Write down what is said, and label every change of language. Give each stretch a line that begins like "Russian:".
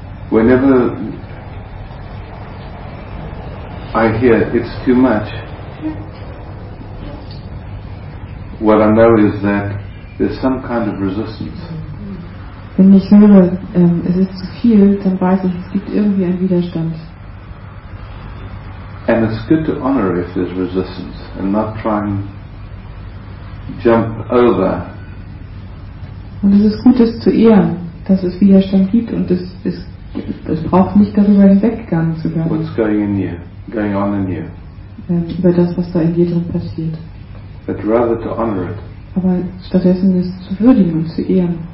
English: Whenever I hear it's too much, what I know is that there's some kind of resistance.
German: Wenn ich höre, es ist zu viel, dann weiß ich, es gibt irgendwie einen Widerstand.
English: And it's good to honor if there's resistance and not try and jump over.
German: Und es ist gut, es zu ehren, dass es Widerstand gibt und es ist. Es braucht nicht darüber hinweggegangen zu werden.
English: What's going in here? Going on in here?
German: Über das, was da in dir drin passiert.
English: But rather to honor it.
German: Aber stattdessen es zu würdigen und zu ehren.